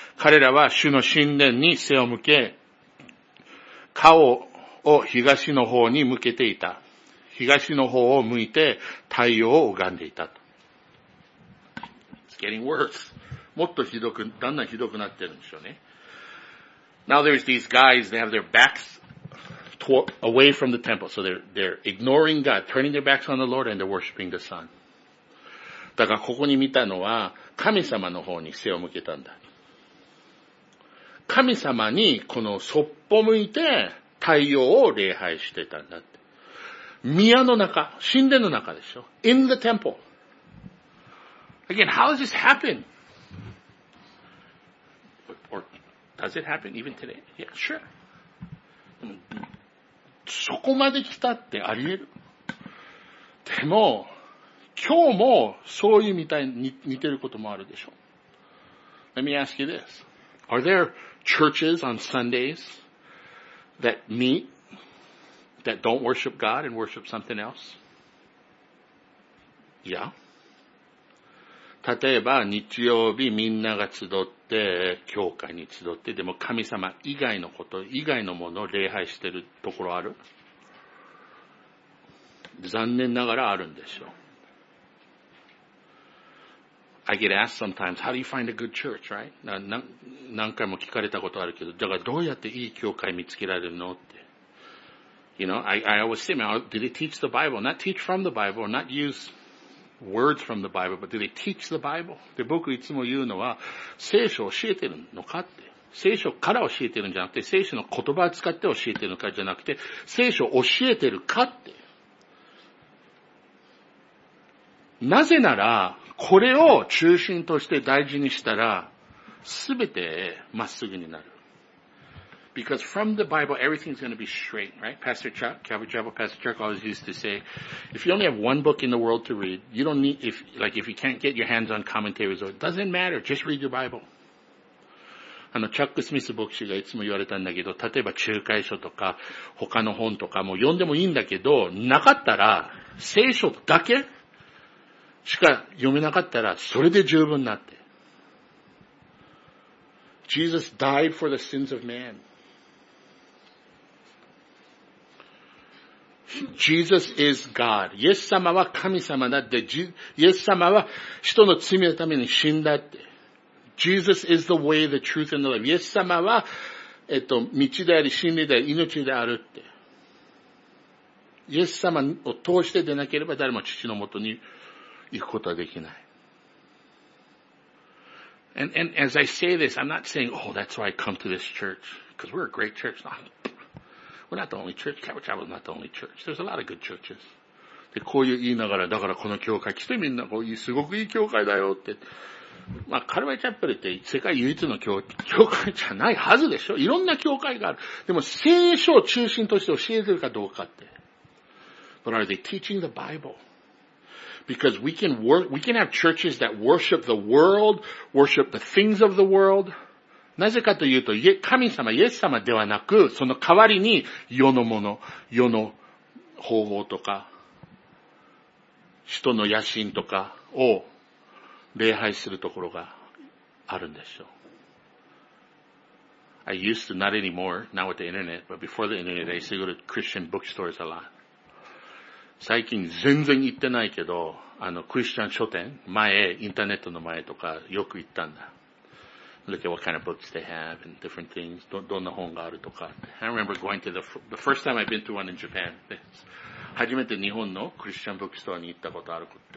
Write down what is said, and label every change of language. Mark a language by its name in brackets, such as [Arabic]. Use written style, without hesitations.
[Japanese] 彼らは主の神殿に背を向け、顔を東の方に向けていた。東の方を向いて太陽を拝んでいた。 [English] It's getting worse. [Japanese] もっとひどく、だんだんひどくなってるんでしょうね。 [English] Now there's these guys, they have their backs away from the temple. So they're ignoring God, turning their backs on the Lord and they're worshiping the sun. [Japanese] だからここに見たのは神様の方に背を向けたんだ。神様にこのそっぽ向いて太陽を礼拝してたんだって。宮の中、神殿の中でしょ。 [English] In the temple. Again, how does this happen? Or does it happen even today? Yeah, sure. [Japanese] そこまで来たってあり得る。でも、今日もそういうみたいに似てることもあるでしょう。 [English] Let me ask you this. Are there churches on Sundays that meet, that don't worship God and worship something else? Yeah. [Japanese] 例えば日曜日みんなが集って、教会に集って、でも神様以外のこと、以外のものを礼拝してるところある？残念ながらあるんでしょう。 [English] I get asked sometimes, how do you find a good church, right? [Japanese] 何回も聞かれたことあるけど、だからどうやっていい教会見つけられるのって。 [English] You know, I always say, do they teach the Bible? Not teach from the Bible, not use words from the Bible, but do they teach the Bible? [Japanese] で、僕いつも言うのは、聖書を教えてるのかって。聖書から教えてるんじゃなくて、聖書の言葉を使って教えてるのかじゃなくて、聖書を教えてるかって。なぜなら、これを中心として大事にしたら、すべてまっすぐになる。 [English] Because from the Bible, everything's going to be straight, right? Pastor Chuck, Calvary Chapel Pastor Chuck always used to say, if you only have one book in the world to read, you don't need, if you can't get your hands on commentaries, or it doesn't matter, just read your Bible. [Japanese] チャック・スミス牧師がいつも言われたんだけど、例えば仲介書とか、他の本とかも読んでもいいんだけど、なかったら、聖書だけしか読めなかったら、それで十分になって。 [English] Jesus died for the sins of man. Jesus is God. [Japanese] イエス様は神様だって、イエス様は人の罪のために死んだって。 [English] Jesus is the way, the truth, and the life. [Japanese] イエス様は、道であり、真理であり、命であるって。イエス様を通して出なければ誰も父のもとに行くことはできない。 [English] And as I say this, I'm not saying, oh, that's why I come to this church. Because we're a great church. No. We're not the only church. Calvary Chapel is not the only church. There's a lot of good churches. [Japanese] で、こういう言いながら、だからこの教会来てみんな、こういうすごくいい教会だよって。まあ、カルバイチャップルって世界唯一の教会じゃないはずでしょ。いろんな教会がある。でも、聖書を中心として教えてるかどうかって。 [English] But are they teaching the Bible? Because we can have churches that worship the world, worship the things of the world. [Japanese] なぜかというと、神様、イエス様ではなく、その代わりに、世のもの、世の方法とか、人の野心とかを礼拝するところがあるんでしょう。 [English] I used to, not anymore, not with the internet, but before the internet, I used to go to Christian bookstores a lot. [Japanese] 最近全然行ってないけど、クリスチャン書店、前、インターネットの前とか、よく行ったんだ。 [English] Look at what kind of books they have and different things, [Japanese] どんな本があるとか。 [English] I remember going to the first time I've been to one in Japan. [Japanese] 初めて日本のクリスチャンブックストアに行ったことある。